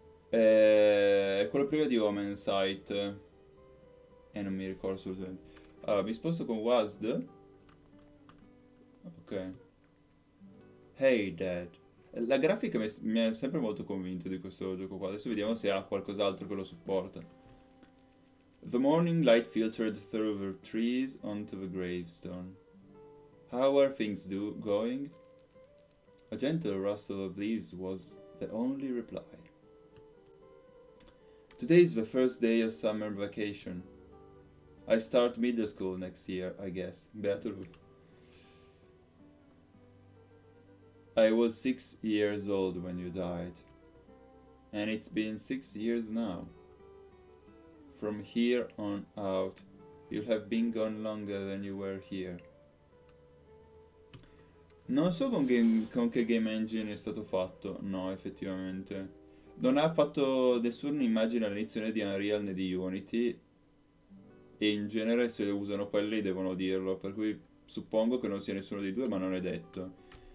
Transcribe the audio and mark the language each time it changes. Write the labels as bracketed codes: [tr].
[it] È quello prima di Omensight. E non mi ricordo assolutamente. Allora, mi sposto con Wasd. Ok. [en] Hey Dad. [it] La grafica mi ha sempre molto convinto di questo gioco qua. Adesso vediamo se ha qualcos'altro che lo supporta. [en] The morning light filtered through the trees onto the gravestone. How are things going? A gentle rustle of leaves was the only reply. Today is the first day of summer vacation. I start middle school next year, I guess. [it] Beato lui. [en] I was 6 years old when you died. And it's been 6 years now. From here on out, you'll have been gone longer than you were here. [it] Non so con che game engine è stato fatto. No, effettivamente. Non ha fatto nessuna immagine all'inizio né di Unreal né di Unity. E in genere se le usano quelle devono dirlo. Per cui suppongo che non sia nessuno dei due, ma non è detto.